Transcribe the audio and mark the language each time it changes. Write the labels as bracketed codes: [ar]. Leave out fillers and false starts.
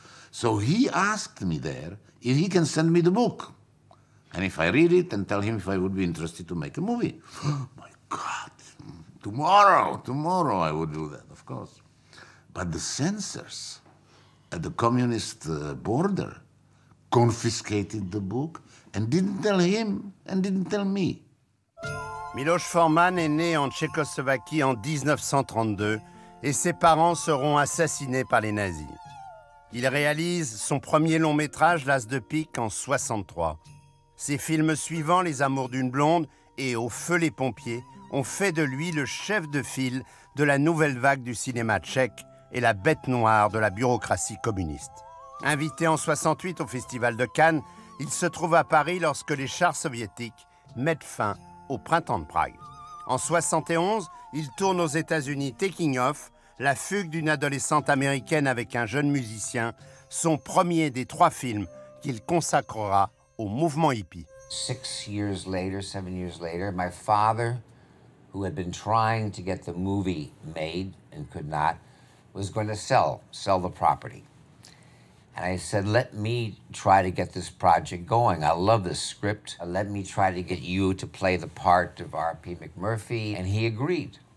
[en] So he asked me there if he can send me the book, and if I read it and tell him if I would be interested to make a movie. My God, tomorrow I would do that, of course. But the censors at the communist border confiscated the book and didn't tell him and didn't tell me. [fr] Miloš Forman est né en Tchécoslovaquie en 1932 et ses parents seront assassinés par les nazis. Il réalise son premier long métrage, L'As de pique, en 1963. Ses films suivants, Les amours d'une blonde et Au feu les pompiers, ont fait de lui le chef de file de la nouvelle vague du cinéma tchèque et la bête noire de la bureaucratie communiste. Invité en 1968 au Festival de Cannes, il se trouve à Paris lorsque les chars soviétiques mettent fin au printemps de Prague. En 71, il tourne aux États-Unis Taking Off, la fugue d'une adolescente américaine avec un jeune musicien, son premier des trois films qu'il consacrera au mouvement hippie. [en] Seven years later, my father, who had been trying to get the movie made and could not, was going to sell the property. And I said, let me try to get this project going. I love this script. Let me try to get you to play the part of R.P. McMurphy. And he agreed.